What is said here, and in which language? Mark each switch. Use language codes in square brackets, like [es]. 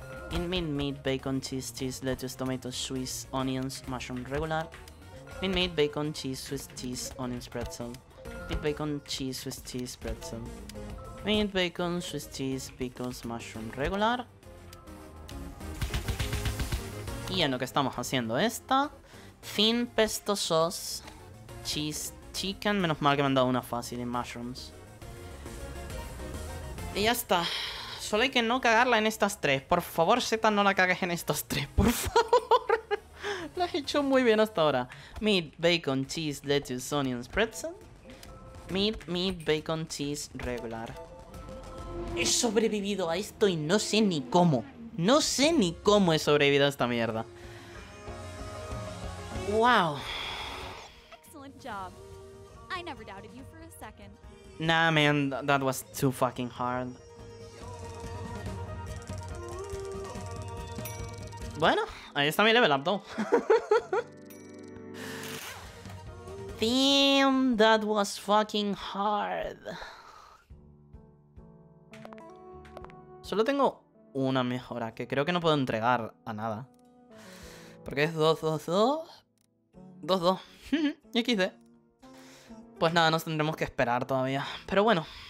[en] Meat, bacon, cheese, lettuce, tomatoes, Swiss, onions, mushroom, regular. Meat, bacon, cheese, Swiss cheese, onions, pretzel. Meat, bacon, cheese, Swiss cheese, pretzel. Meat, bacon, Swiss cheese, pickles, mushroom, regular. [es] Y en lo que estamos haciendo esta, [en] thin pesto sauce, cheese, chicken, [es] menos mal que me han dado una fácil, y mushrooms. Y ya está, solo hay que no cagarla en estas tres, por favor Zeta, no la cagues en estas tres, por favor. La has hecho muy bien hasta ahora. [en] Meat, bacon, cheese, lettuce, onions, pretzel. Meat, bacon, cheese, regular. [es] He sobrevivido a esto y no sé ni cómo. No sé ni cómo he sobrevivido a esta mierda. Wow. [en] Excellent job. I never doubted you for a second. Nah, man, that was too fucking hard. [es] Bueno, ahí está mi level up, though. [en] Damn, that was fucking hard. [es] Solo tengo una mejora, que creo que no puedo entregar a nada. Porque es 2-2-2. 2-2. XD. Pues nada, nos tendremos que esperar todavía. Pero bueno.